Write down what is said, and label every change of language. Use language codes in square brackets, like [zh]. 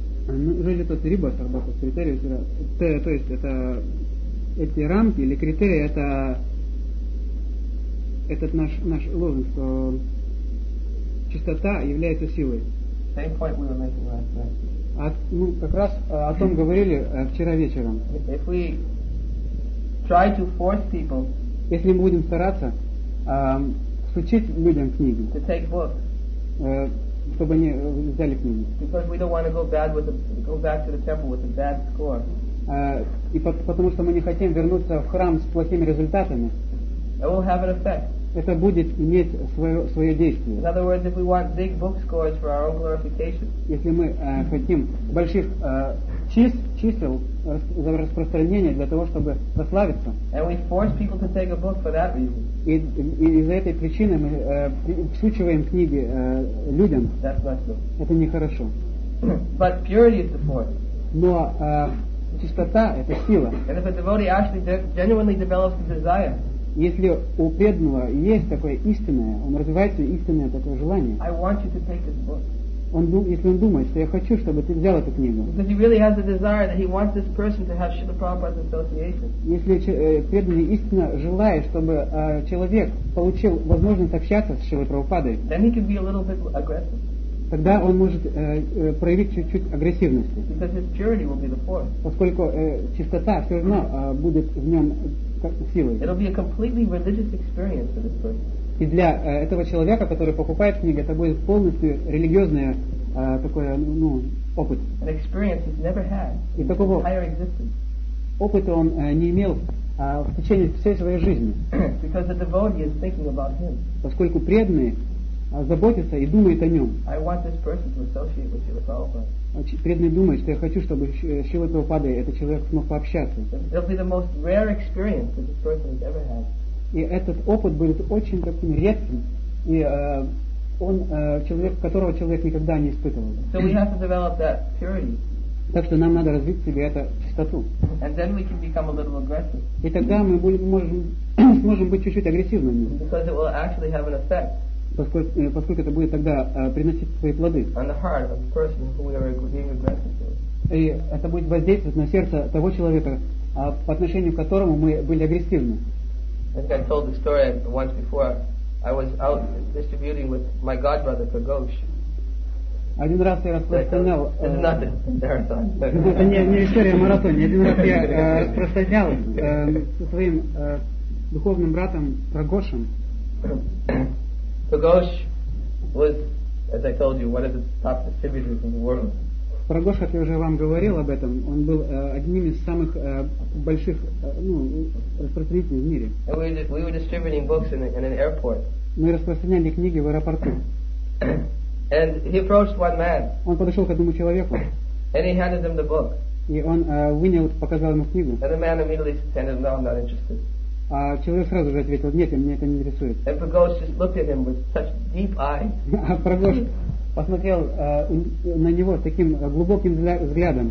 [ru] Критерии, то есть это эти рамки или критерии, это этот наш лозунг, что чистота является силой. [en] Same point we were making last night. [ru] Ну, как раз о том говорили вчера вечером. [en] If we try to force people, [ru] если мы будем стараться включить людям книги, [en] to take books, [ru] чтобы они взяли книги. [en] Because we don't want to go bad with the, go back to the temple with a bad score. [ru] И потому что мы не хотим вернуться в храм с плохими результатами. [en] It will have an effect. [ru] Это будет иметь свое действие. [en] In other words, if we want big book scores for our own glorification. [ru] Если мы хотим больших чисел за распространение для того, чтобы прославиться. [en] And we force people to take a book for that reason. [ru] И из-за этой причины мы всучиваем книги людям. [en] That's not good. [ru] Это нехорошо. [en] But purity is the force. [ru] Но чистота — это сила. [en] And if a devotee actually genuinely develops a desire. [ru] Если у преданного есть такое истинное, он развивается истинное такое желание. [en] I want you to take this book. [ru] Он, если он думает, что я хочу, чтобы ты взял эту книгу. [en] Because he really has a desire that he wants this person to have Srila Prabhupada's association. [ru] Если преданный истинно желает, чтобы человек получил возможность общаться с Шрилой Прабхупадой. [en] Then he can be a little bit aggressive. [ru] Тогда он может проявить чуть-чуть агрессивности. [en] Because his purity will be the force. [ru] Поскольку чистота все равно будет в нем силой. [en] It'll be a completely religious experience for this person. [ru] И для этого человека, который покупает книги, это будет полностью религиозный такой, ну, опыт. [en] An experience he's never had in [ru] и такого [en] entire existence. [ru] Опыта он не имел в течение всей своей жизни. [en] Because the devotee is thinking about him. [ru] Поскольку преданный заботится и думает о нем. [en] I want this person to associate with Srila Prabhupada. [ru] Преданный думает, что я хочу, чтобы Шрила Прабхупада, этот человек, смог пообщаться. [en] It'll be the most rare experience that this person has ever had. [ru] И этот опыт будет очень таким редким, и он человек, которого человек никогда не испытывал. [en] So we have to develop that purity. [ru] Так что нам надо развить в себе эту чистоту. [en] And then we can become a little aggressive. [ru] И тогда мы сможем быть чуть-чуть агрессивными. [en] Because it will actually have an effect. [ru] Поскольку это будет тогда приносить свои плоды. [en] On the heart of the person who we are being aggressive to. [ru] И это будет воздействовать на сердце того человека, по отношению к которому мы были агрессивны. [en] I think I told the story once before. I was out distributing with my godbrother for Ghosh. [ru] Один раз я распространял. [en] It's not the marathon. [ru] Это не история о марафоне. Один раз я распространял со своим духовным братом Прагошем. [en] Прагош was, as I told you, one of the top distributors in the world. [ru] Прагош, как я уже вам говорил об этом, он был одним из самых больших распространителей в мире. [en] We were distributing books in an airport. [ru] Мы распространяли книги в аэропорту. [en] And he approached one man. [ru] Он подошел к одному человеку. [en] And he handed him the book. [ru] И он вынял, показал ему книгу. [en] And the man immediately said, "No, I'm not interested." [ru] А человек сразу же ответил: "Нет, меня это не интересует." [en] And Прагош just looked at him with such deep eyes. [ru] Прагош посмотрел на него таким глубоким взглядом.